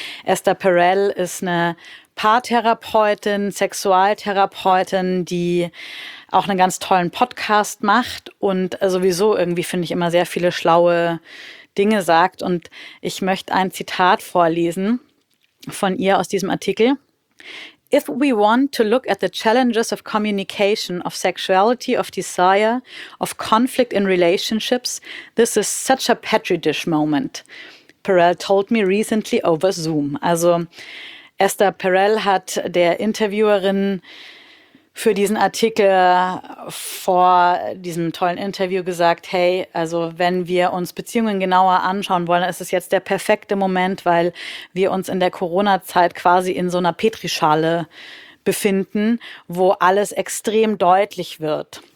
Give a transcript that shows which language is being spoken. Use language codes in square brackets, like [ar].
[de] Esther Perel ist eine Paartherapeutin, Sexualtherapeutin, die auch einen ganz tollen Podcast macht und sowieso irgendwie, finde ich, immer sehr viele schlaue Dinge sagt. Und ich möchte ein Zitat vorlesen von ihr aus diesem Artikel. [en] If we want to look at the challenges of communication, of sexuality, of desire, of conflict in relationships, this is such a petri dish moment, Perel told me recently over Zoom. [de] Also Esther Perel hat der Interviewerin für diesen Artikel vor diesem tollen Interview gesagt, hey, also wenn wir uns Beziehungen genauer anschauen wollen, ist es jetzt der perfekte Moment, weil wir uns in der Corona-Zeit quasi in so einer Petrischale befinden, wo alles extrem deutlich wird.